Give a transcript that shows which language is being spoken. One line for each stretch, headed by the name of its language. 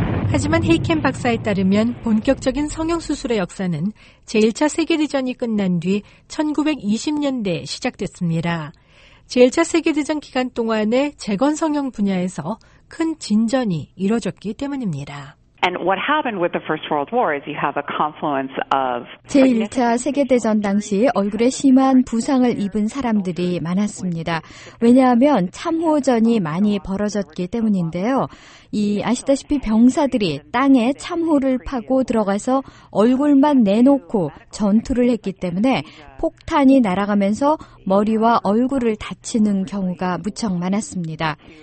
Korean: 하지만 헤이켄 박사에 따르면 본격적인 성형수술의 역사는 제1차 세계대전이 끝난 뒤 1920년대에 시작됐습니다. 제1차 세계대전 기간 동안에 재건 성형 분야에서 큰 진전이 이뤄졌기 때문입니다.
English: And what happened with the First World War is you have a confluence of
Korean: 제1차 세계대전 당시 얼굴에 심한 부상을 입은 사람들이 많았습니다. 왜냐하면 참호전이 많이 벌어졌기 때문인데요. 이 아시다시피 병사들이 땅에 참호를 파고 들어가서 얼굴만 내놓고 전투를 했기 때문에 폭탄이 날아가면서 머리와 얼굴을 다치는 경우가 무척 많았습니다.